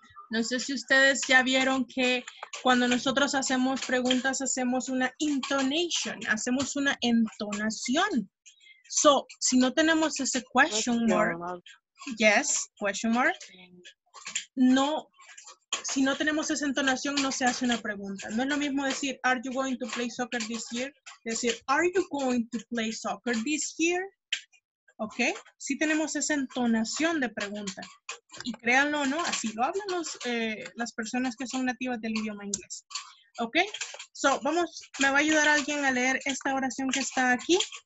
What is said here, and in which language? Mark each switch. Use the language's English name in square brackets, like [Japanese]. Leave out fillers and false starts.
[Spanish] No sé si ustedes ya vieron que cuando nosotros hacemos preguntas, hacemos una intonation, hacemos una entonación. So, si no tenemos ese [English] question mark, yes, question mark, [Spanish] no, si no tenemos esa entonación, no se hace una pregunta. No es lo mismo decir, [English] are you going to play soccer this year? [Spanish] Decir, [English] are you going to play soccer this year? [Spanish] ¿Ok? Sí tenemos esa entonación de pregunta. Y créanlo, ¿no? Así lo hablan los, las personas que son nativas del idioma inglés. ¿Ok? So, vamos, me va a ayudar alguien a leer esta oración que está aquí.